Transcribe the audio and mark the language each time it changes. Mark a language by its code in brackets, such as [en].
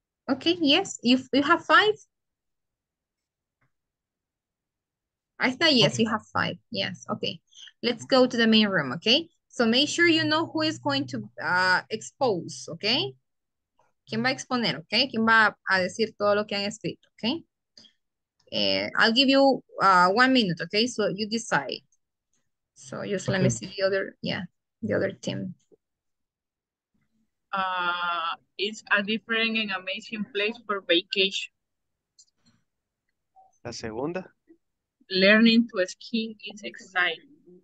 [en] Okay, yes, you have five. I thought yes, okay. You have five. Yes, okay. Let's go to the main room, okay? So make sure you know who is going to expose, okay? [es] ¿Quién va a exponer, okay? ¿Quién va a decir todo lo que han escrito, okay? [en] I'll give you 1 minute, okay? So you decide. So just okay. Let me see the other, yeah, the other team. It's a different and amazing place for vacation. [es] La segunda. [en] Learning to ski is exciting.